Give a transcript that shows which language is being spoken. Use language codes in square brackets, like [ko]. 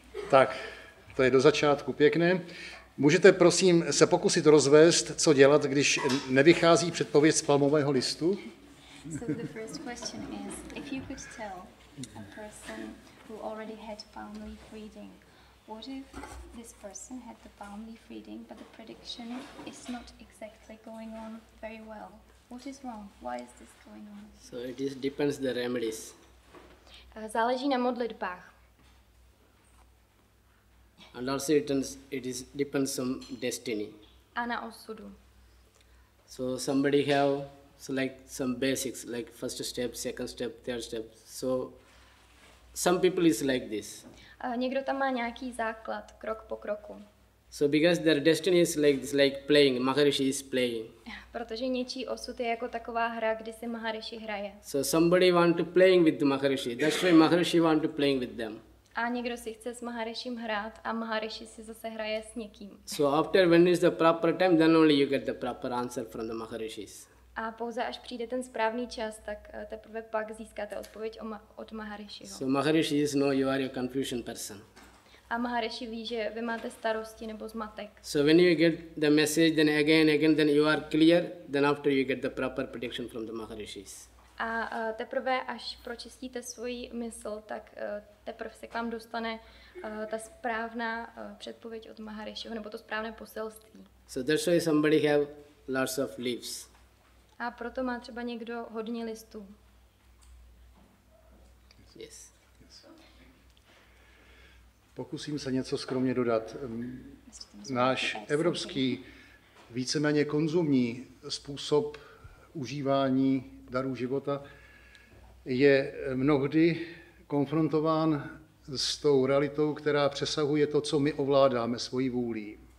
[cs] Tak, to je do začátku pěkné. Můžete prosím se pokusit rozvést, co dělat, když nevychází předpověď z palmového listu? [en] So the first question is, if you could tell a person who already had palm leaf reading, what if this person had the palm leaf reading, but the prediction is not exactly going on very well? What is wrong? Why is this going on? So it is depends the remedies. [cs] Záleží na modlitbách. [en] And also it depends on destiny. [cs] A na osudu. [en] So somebody have... So like some basics, like first step, second step, third step. So some people is like this. [cs] Někdo tam má nějaký základ, krok po kroku. [en] So because their destiny is like this, like playing, Maharishi is playing. [cs] Protože něčí osud je jako taková hra, kdy si Maharishi hraje. [en] So somebody want to playing with Maharishi, that's why Maharishi want to playing with them. [cs] A někdo si chce s Maharishim hrát a Maharishi si zase hraje s někým. [en] So after when is the proper time, then only you get the proper answer from the Maharishis. [cs] A pouze až přijde ten správný čas, tak teprve pak získáte odpověď od Maharishiho. [en] So Maharishi is no, you are a confusion person. [cs] A Maharishi ví, že vy máte starosti nebo zmatek. [en] So when you get the message, then again, then you are clear, then after you get the proper prediction from the Maharishis. [cs] A teprve až pročistíte svoji mysl, tak teprve se k vám dostane ta správná předpověď od Maharishiho, nebo to správné poselství. [en] So that's why somebody have lots of leaves. [cs] A proto má třeba někdo hodně listů. [en] Yes. [cs] Pokusím se něco skromně dodat. Náš evropský víceméně konzumní způsob užívání darů života je mnohdy konfrontován s tou realitou, která přesahuje to, co my ovládáme svojí vůlí.